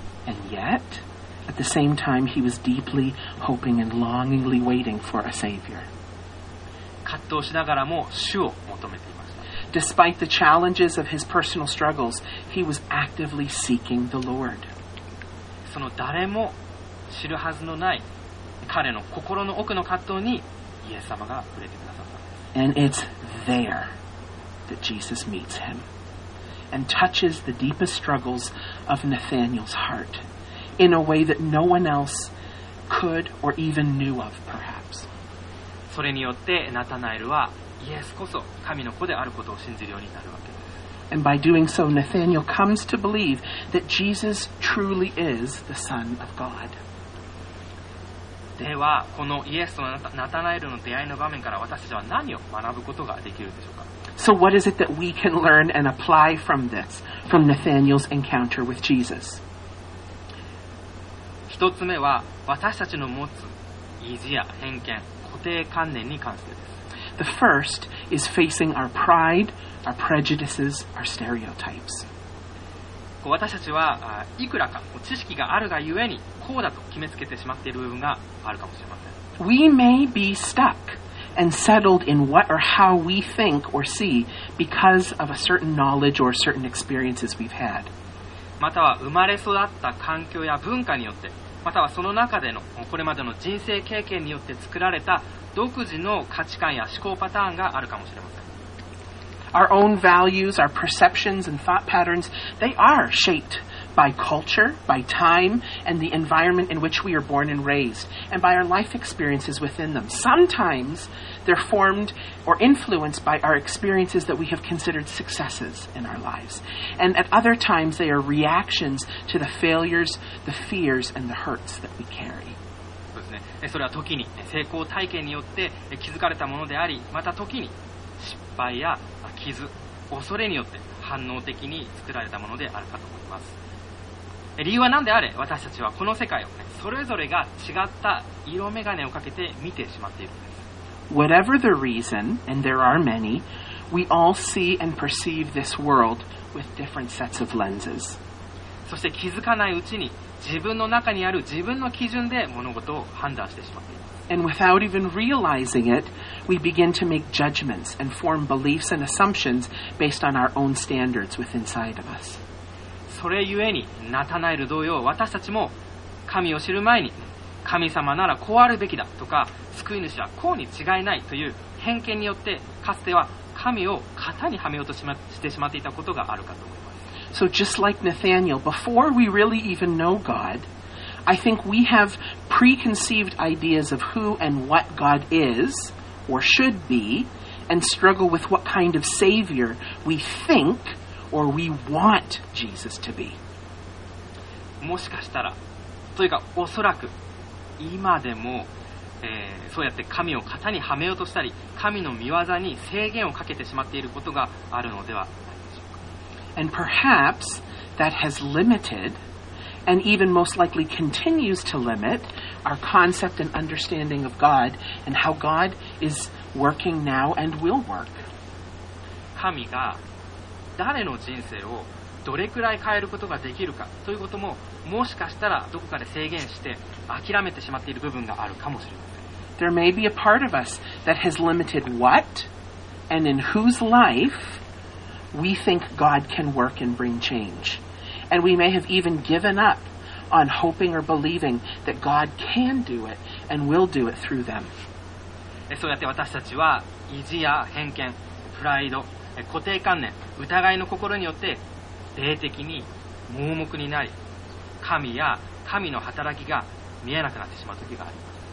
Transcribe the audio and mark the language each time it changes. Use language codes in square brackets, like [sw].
[en] And yetAt the same time, he was deeply hoping and longingly waiting for a savior. [ja] 葛藤しながらも主を求めていました。 [en] Despite the challenges of his personal struggles, he was actively seeking the Lord. [ja] その誰も知るはずのない彼の心の奥の葛藤にイエス様が触れてくださった。 [en] And it's there that Jesus meets him and touches the deepest struggles of Nathanael's heart. In a way that no one else could or even knew of, perhaps. [ja] それによってナタナエルはイエスこそ神の子であることを信じるようになるわけです。 [en] And by doing so, Nathanael comes to believe that Jesus truly is the Son of God. [ja] ではこのイエスとナタナエルの出会いの場面から私たちは何を学ぶことができるでしょうか。 [en] So what is it that we can learn and apply from this, from Nathanael's encounter with Jesus? [ja] 一つ目は私たちの持つ意地や偏見、固定観念に関してです。 [en] The first is facing our pride, our prejudices, our stereotypes. [ja] 私たちはいくらか知識があるがゆえにこうだと決めつけてしまっている部分があるかもしれません。 [en] We may be stuck and settled in what or how we think or see because of a certain knowledge or certain experiences we've had. [ja] または生まれ育った環境や文化によって、またはその中でのこれまでの人生経験によって作られた独自の価値観や思考パターンがあるかもしれません。 [en] Our own values, our perceptions and thought patterns, they are shaped by culture, by time, and the environment in which we are born and raised, and by our life experiences within them. Sometimes they're formed or influenced by our experiences that we have considered successes in our lives. And at other times, they are reactions to the failures, the fears, and the hurts that we carry. [ja] そうですね。それは時に成功体験によって気づかれたものであり、また時に失敗や傷、恐れによって反応的に作られたものであるかと思います。理由は何であれ、私たちはこの世界を、ね、それぞれが違った色眼鏡をかけて見てしまっているんです。 [en] Whatever the reason, and there are many, we all see and perceive this world with different sets of lenses. [ja] そして気づかないうちに自分の中にある自分の基準で物事を判断してしまっている。 [en] And without even realizing it, we begin to make judgments and form beliefs and assumptions based on our own standards with inside of us. [ja] それゆえにナタナエル同様、私たちも神を知る前に神様ならこうあるべきだとか、救い主はこうに違いないという偏見によってかつては神を型にはめようとしてしまっていたことがあるかと思います。 [en] So just like Nathaniel, before we really even know God, I think we have preconceived ideas of who and what God is or should be, and struggle with what kind of savior we think or we want Jesus to be. [ja] もしかしたら、というかおそらく、今でも、そうやって神を型にはめようとしたり、神の御業に制限をかけてしまっていることがあるのではないでしょうか。 [en] And perhaps that has limited, and even most likely continues to limit, our concept and understanding of God and how God is working now and will work. [ja] 神が誰の人生をどれくらい変えることができるかということも、もしかしたらどこかで制限して諦めてしまっている部分があるかもしれません。 [en] There may be a part of us that has limited what and in whose life we think God can work and bring change. And we may have even given up on hoping or believing that God can do it and will do it through them. [ja] そうやって私たちは意地や偏見、プライド、固定観念、疑いの心によって霊的に盲目になり、神や神の働きが見えなくなってしまう時があります。